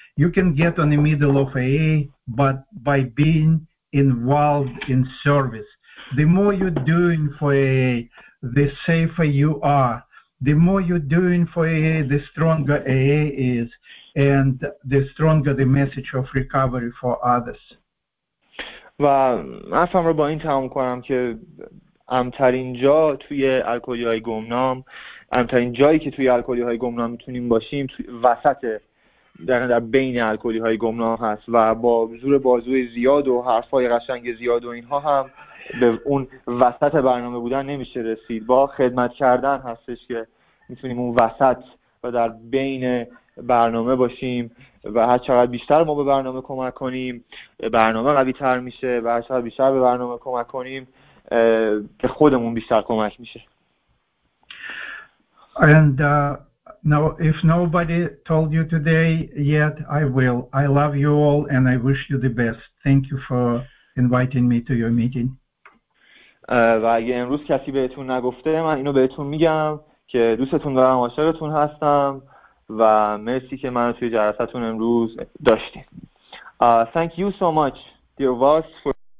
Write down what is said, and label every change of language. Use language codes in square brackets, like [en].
[en] You can get on the middle of AA, but by being involved in service. The more you're doing for AA, the safer you are. The more you're doing for AA, the stronger AA is, and the stronger the message of recovery for others. [fa] و حرفم رو با این تمام کنم که امترین جا توی الکلی‌های گمنام، امترین جایی که توی الکلی‌های گمنام میتونیم باشیم وسط، در بین الکلی‌های گمنام هست و با زور بازوی زیاد و حرفای قشنگ زیاد و اینها هم به اون وسط برنامه بودن نمیشه رسید. با خدمت کردن هستش که میتونیم اون وسط و در بین برنامه باشیم و هر چقدر بیشتر ما به برنامه کمک کنیم برنامه قوی تر میشه و هر چقدر بیشتر به برنامه کمک کنیم به خودمون بیشتر کمک میشه. [en] And now if nobody told you today yet, I will. I love you all and I wish you the best. Thank you for inviting me to your meeting. [fa] و اگه امروز کسی بهتون نگفته من اینو بهتون میگم که دوستتون دارم، عاشقتون هستم و مرسی که منو توی جلسه‌تون امروز داشتین. [en] Thank you so much, dear Voss, for